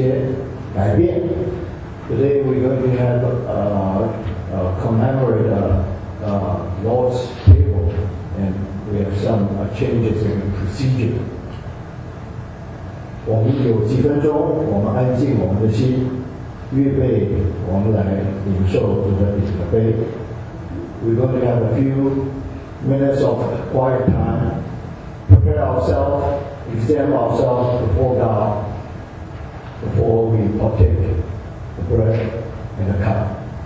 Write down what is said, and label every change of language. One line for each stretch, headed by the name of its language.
English: Today we're going to have commemorate the Lord's table, and we have some changes in procedure.
Chinese: 我们有几分钟，我们安静我们的心，预备我们来领受主的饼和杯。
English: We're going to have a few minutes of quiet time. Prepare ourselves, examine ourselves before God. Before we partake the bread and the cup.